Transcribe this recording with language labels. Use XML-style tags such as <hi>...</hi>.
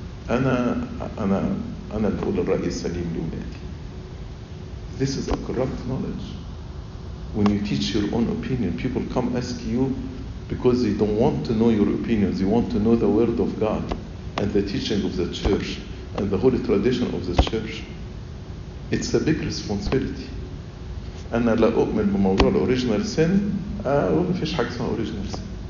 <ar>انا اللي بقول الراي السليم لولادي.</ar> <en>This is a corrupt knowledge. When you teach your own opinion, people come ask you because they don't want to know your opinions. They want to know the word of God and the teaching of the church and the holy tradition of the church. It's a big responsibility.</en> <ar>أنا لا أؤمن بموضوع الـ original sin، ما فيش حاجة اسمها original sin.</ar>